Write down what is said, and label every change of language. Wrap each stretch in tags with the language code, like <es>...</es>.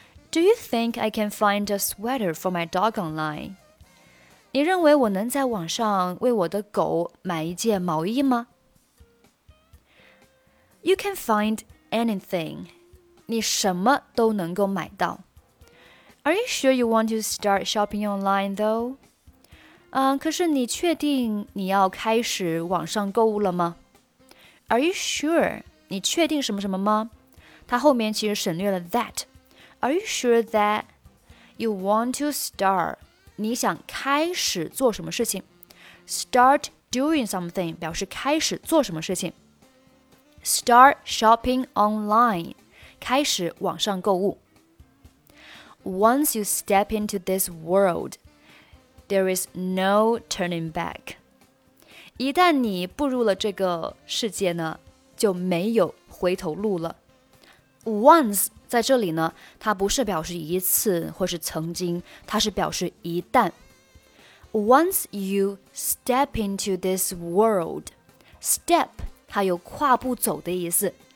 <en>Do you think I can find a sweater for my dog online?</en> <zh>你认为我能在网上为我的狗买一件毛衣吗？</zh> <en>You can find anything.</en> <zh>你什么都能够买到。</zh> <en>Are you sure you want to start shopping online, though?</en> <zh>可是你确定你要开始网上购物了吗？</zh> <en>Are you sure?</en> <zh>你确定什么什么吗？它后面其实省略了 that.</zh> <en>Are you sure that you want to start?</en> <zh>你想开始做什么事情？</zh> <en>Start doing something</en> <zh>表示开始做什么事情。</zh> <en>Start shopping online.</en> <zh>开始网上购物。</zh> <en>Once you step into this world, there is no turning back.</en> <zh>一旦你步入了这个世界呢，就没有回头路了。 Once 在这里呢，它不是表示一次或是曾经，它是表示一旦。</zh> <en>Once you step into this world, step</en> <zh>它有跨步走的意思。</zh>